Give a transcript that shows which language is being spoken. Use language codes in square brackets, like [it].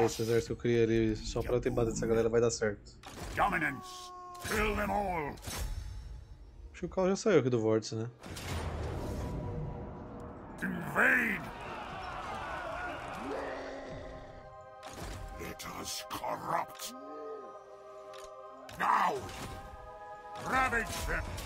[pt] Esse exército que eu criei ali, só pra eu ter batido essa galera vai dar certo. [en] Dominance, kill them all. [pt] Acho que o Carl já saiu aqui do vórtice, né? [en] Invade. Let us corrupt. Now. Ravage them.